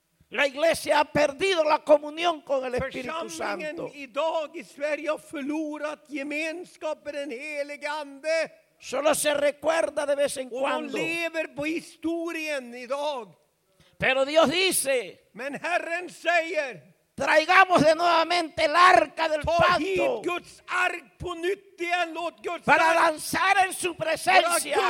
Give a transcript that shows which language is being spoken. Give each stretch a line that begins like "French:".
Spanish: La iglesia ha perdido la comunión con el Espíritu Santo.
Swedish: Idag i Sverige har förlorat gemenskap med den helige ande.
Spanish: Solo se recuerda de vez en cuando.
Swedish: Och de lever på historien idag.
Spanish: Pero Dios dice.
Swedish: Men Herren säger.
Spanish: Traigamos de nuevamente el arca del pacto.
Swedish: Ta hit Guds ark på nytt cristian, låt Guds
Spanish: para danzar en su presencia.